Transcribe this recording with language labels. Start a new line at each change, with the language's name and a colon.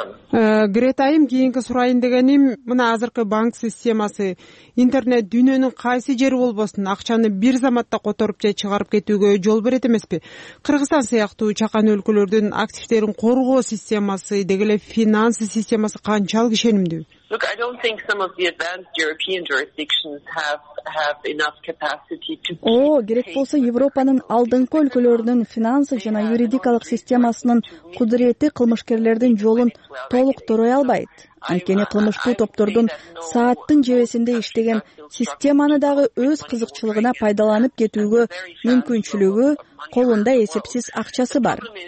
Kyrgyz: Гретайым, кийинки сурайын дегеним, мына азыркы банк системасы, интернет дүйнөнүн кайсы жери болбосун, акчаны бир заматта которуп же чыгарып кетүүгө жол берет эмеспи? Кыргызстан сыяктуу чакан өлкөлөрдүн активдерин коргоо системасы, деги эле финанс системасы канчалык ишенимдүү?
English: Look, I don't think some of the advanced European jurisdictions have enough capacity to keep
Kyrgyz: Oh, керек болсо Европанын алдыңкы өлкөлөрүнүн финансы жана юридикалык системасынын кудуреті кылмышкерлердин жолун толуктуру албайт. Анткени кылмыштуу топтордун сааттын жебесинде иштеген системаны дагы өз кызыкчылыгына пайдаланып кетүүгө мүмкүнчүлүгү, колунда эсепсиз акчасы бар.